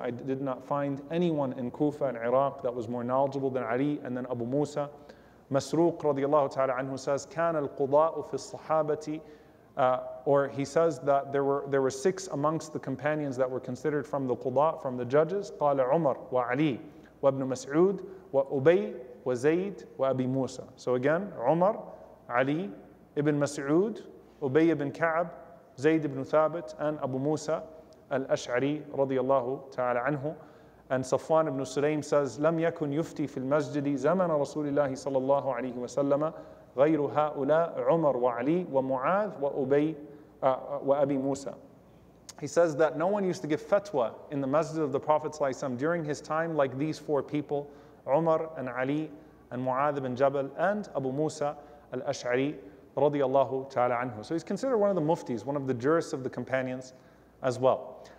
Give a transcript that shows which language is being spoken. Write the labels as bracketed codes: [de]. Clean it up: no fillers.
[en] I did not find anyone in Kufa and Iraq that was more knowledgeable than Ali and then Abu Musa. Masruq radiallahu ta'ala anhu says, [ar] "Kana al qudha'u fi sahabati." [en] Or he says that there were six amongst the companions that were considered from the qudha, from the judges. [ar] قال عمر وعلي وابن مسعود وأبي وزيد وأبي موسى. [en] So again, عمر, علي, ابن مسعود, أبي ابن كعب, زيد ابن ثابت, and Abu Musa al-Ash'ari [ar] رضي الله تعالى عنه. [en] And Safwan ibn Sulaym says, [ar] لم يكن يفتي في المسجد زمن رسول الله صلى الله عليه وسلم غير هؤلاء عمر وعلي ومعاذ وأبي وأبي موسى. [en] He says that no one used to give fatwa in the masjid of the Prophet ﷺ during his time like these four people, Umar and Ali and Mu'adh ibn Jabal and Abu Musa al-Ash'ari radiallahu ta'ala anhu. So he's considered one of the muftis, one of the jurists of the companions as well.